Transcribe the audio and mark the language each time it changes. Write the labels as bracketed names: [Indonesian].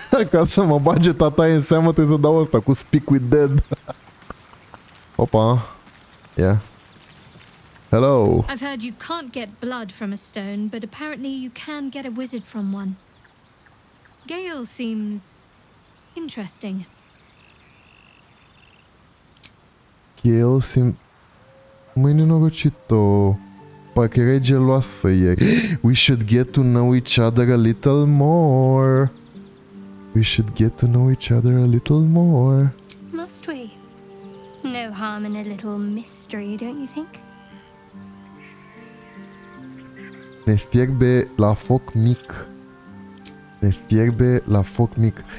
[Romanian] Ca să mă bage tataie în seamă, trebuie să dau ăsta cu Speak with Dead. [English] Opa. Yeah. Hello. I've heard you can't get blood from a stone, but apparently you can get a wizard from one. Gale seems interesting. [Romanian] Gale seem... Măi, nenorocit-o. Parcă erai geloasă ieri. [English] We should get to know each other a little more. We should get to know each other a little more. Must we? No harm in a little mystery, don't you think? [Romanian] Ne fierbe la foc mic. Ne fierbe la foc mic.